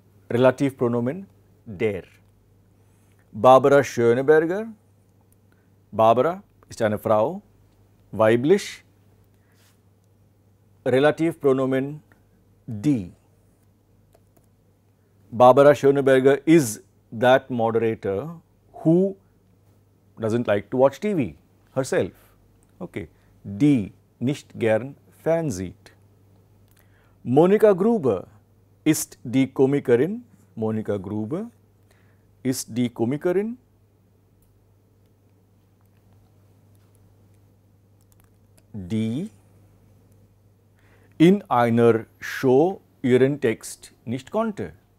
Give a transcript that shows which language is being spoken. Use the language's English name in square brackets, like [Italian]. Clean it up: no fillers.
[German] Relativpronomen der. Barbara Schöneberger, Barbara ist eine Frau, weiblich, Relativpronomen die. [English] Barbara Schöneberger is that moderator who doesn't like to watch TV herself. [German] Okay, die nicht gern fernsieht. Monika Gruber ist die Komikerin, Monika Gruber ist die Komikerin, die in einer Show ihren Text nicht konnte.